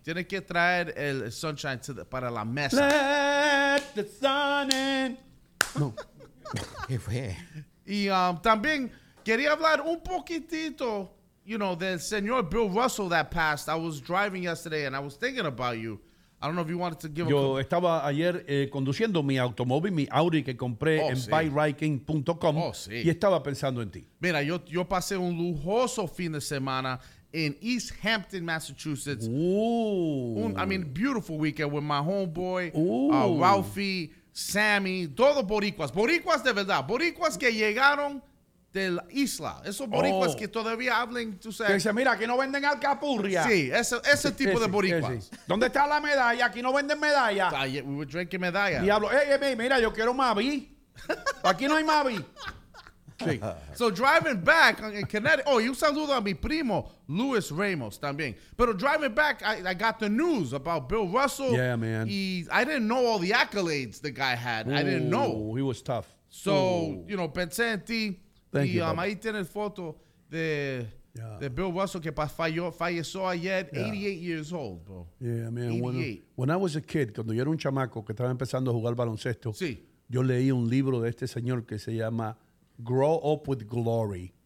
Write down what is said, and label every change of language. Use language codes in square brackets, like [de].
[es] Tiene que traer el sunshine [en] to the, [es] para la mesa. [en] Let the sun in. [es] No. ¿Qué fue? Y también quería hablar un poquitito, [en] you know, [es] del señor Bill Russell [en] that passed. I was driving yesterday and I was thinking about you. I don't know if you wanted to give [es] yo estaba ayer conduciendo mi automóvil, mi Audi que compré en buyriking.com. Oh, sí. Y estaba pensando en ti. Mira, yo pasé un lujoso fin de semana [en] in East Hampton, Massachusetts. Ooh. Beautiful weekend with my homeboy, ooh, [es] Ralphie, Sammy, todos boricuas. Boricuas de verdad. Boricuas que llegaron de la isla. Esos boricuas que todavía hablan, tú sabes. Que dice, mira, aquí no venden alcapurria. Sí, ese tipo de boricuas. Ese. ¿Dónde está la medalla? Aquí no venden medalla. [en] We were drinking medalla. [es] Diablo, mira, yo quiero Mavi. Aquí no hay Mavi. Sí. [en] So driving back in Connecticut. [es] Oh, y un saludo a mi primo, Luis Ramos, también. Pero [en] driving back, I got the news about Bill Russell. Yeah, man. Y I didn't know all the accolades the guy had. Ooh, I didn't know. He was tough. So, ooh, you know, [es] pensé en ti. [en] Thank [es] y [en] you, [es] ahí tienes foto de Bill Russell que falleció ayer, [en] 88 years old, bro. Yeah, man. [es] 88. [en] When I was a kid, [es] cuando yo era un chamaco que estaba empezando a jugar baloncesto, sí, yo leí un libro de este señor que se llama Grow Up With Glory.